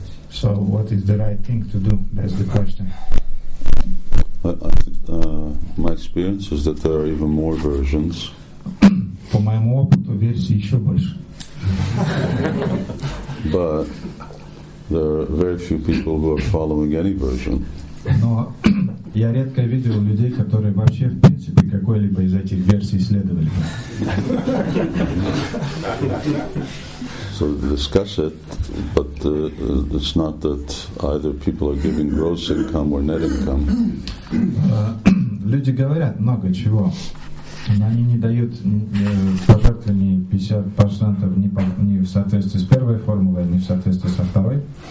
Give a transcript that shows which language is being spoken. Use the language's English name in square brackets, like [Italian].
[English] So what is the right thing to do? That's the question. My experience is that there are even more versions. [Russian] По моему опыту, версий еще больше. [English] But there are very few people who are following any version. [Russian] Но я редко видел людей, которые вообще, в принципе, какой-либо из этих версий следовали. [English] So discuss it, but it's not that either people are giving gross income or net income. [Russian] Люди говорят много чего, но они не дают пожертвований 50% ни в соответствии с первой формулой, ни в соответствии со второй.